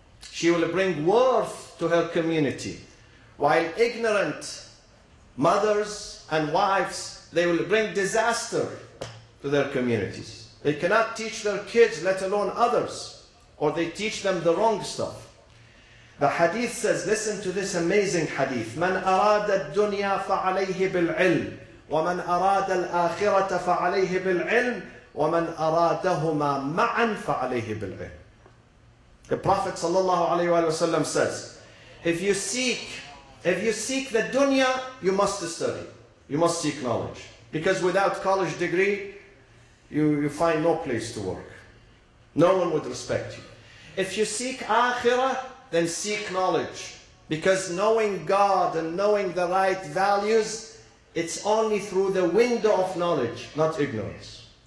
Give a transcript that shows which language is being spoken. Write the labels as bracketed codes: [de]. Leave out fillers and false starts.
[en] She will bring worth to her community. While ignorant mothers and wives, they will bring disaster to their communities. They cannot teach their kids, let alone others, or they teach them the wrong stuff. The hadith says, listen to this amazing hadith. [ar] مَنْ أَرَادَ الدُّنْيَا فَعَلَيْهِ بِالْعِلْمِ وَمَنْ أَرَادَ الْآخِرَةَ فَعَلَيْهِ بِالْعِلْمِ وَمَنْ أَرَادَهُمَا مَعًا فَعَلَيْهِ بِالْعِلْمِ. [en] The Prophet says, if you seek the dunya, you must study. You must seek knowledge. Because without college degree, you find no place to work. No one would respect you. If you seek akhirah, then seek knowledge. Because knowing God and knowing the right values, it's only through the window of knowledge, not ignorance.